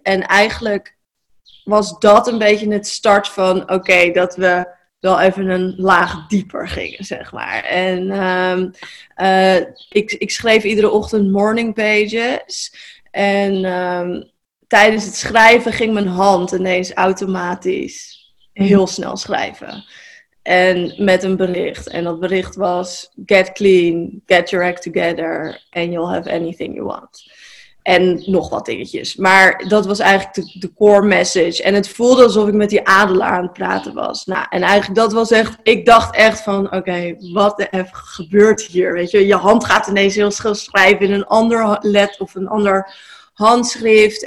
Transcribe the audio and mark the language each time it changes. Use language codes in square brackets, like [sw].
[nl] En eigenlijk was dat een beetje het start van, oké, dat we wel even een laag dieper gingen, zeg maar. En ik schreef iedere ochtend morning pages. En tijdens het schrijven ging mijn hand ineens automatisch heel snel schrijven. En met een bericht. En dat bericht was, [en] get clean, get your act together, and you'll have anything you want. [nl] En nog wat dingetjes. Maar dat was eigenlijk de core message. En het voelde alsof ik met die adelaar aan het praten was. Nou, en eigenlijk dat was echt, ik dacht echt van, oké, wat er gebeurt hier? Weet je, je hand gaat ineens heel snel schrijven in een ander let of een ander handschrift.